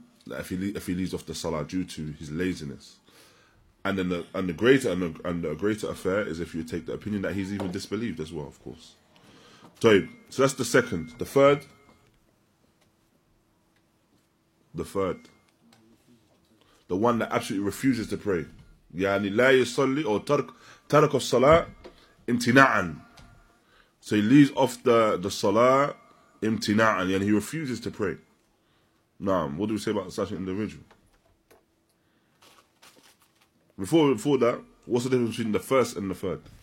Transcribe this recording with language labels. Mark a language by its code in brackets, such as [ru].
[en] If he leaves off the salah due to his laziness, and the greater affair is if you take the opinion that he's even disbelieved as well, of course. So that's the second. The third. The one that absolutely refuses to pray. [ar] يعني لا يصلي أو ترك الصلاة امتناعاً. [en] So he leaves off the salah امتناعاً. يعني he refuses to pray. Naam. What do we say about such an individual? Before that, what's the difference between the first and the third?